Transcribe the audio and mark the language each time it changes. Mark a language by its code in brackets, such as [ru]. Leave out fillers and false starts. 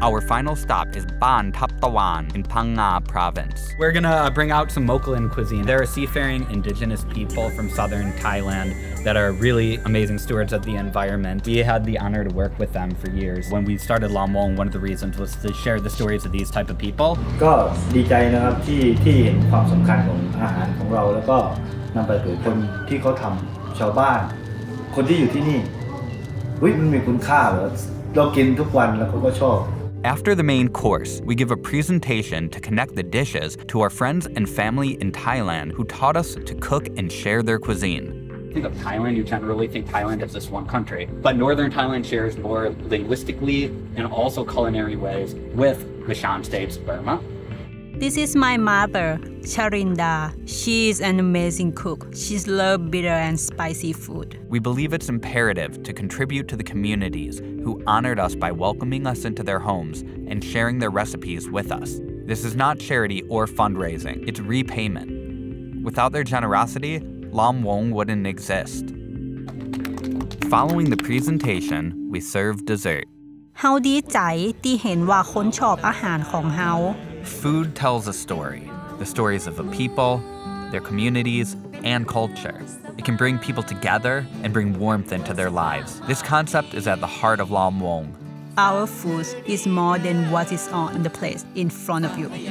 [en] Our final stop is Ban Thap Thawan in Phang Nga province. We're gonna bring out some Mokalin cuisine. They're a seafaring indigenous people from southern Thailand that are really amazing stewards of the environment. We had the honor to work with them for years. When we started Lam Wong, one of the reasons was to share the stories of these type of people. [th] ก็ดีใจนะครับที่เห็นความสำคัญของอาหารของเราแล้วก็นำไปเผยคนที่เขาทำชาวบ้านคนที่อยู่ที่นี่ [en] After the main course, we give a presentation to connect the dishes to our friends and family in Thailand who taught us to cook and share their cuisine. Think of Thailand, you generally think Thailand as this one country. But northern Thailand shares more linguistically and also culinary ways with the Shan states, Burma. This is my mother, Charinda. She's an amazing cook. She's loves bitter and spicy food. We believe it's imperative to contribute to the communities who honored us by welcoming us into their homes and sharing their recipes with us. This is not charity or fundraising. It's repayment. Without their generosity, Lam Wong wouldn't exist. Following the presentation, we serve dessert. [th] เราดีใจที่เห็นว่าคนชอบอาหารของเรา [en] Food tells a story. The stories of a people, their communities, and culture. It can bring people together and bring warmth into their lives. This concept is at the heart of Lam Wong. Our food is more than what is on the plate in front of you.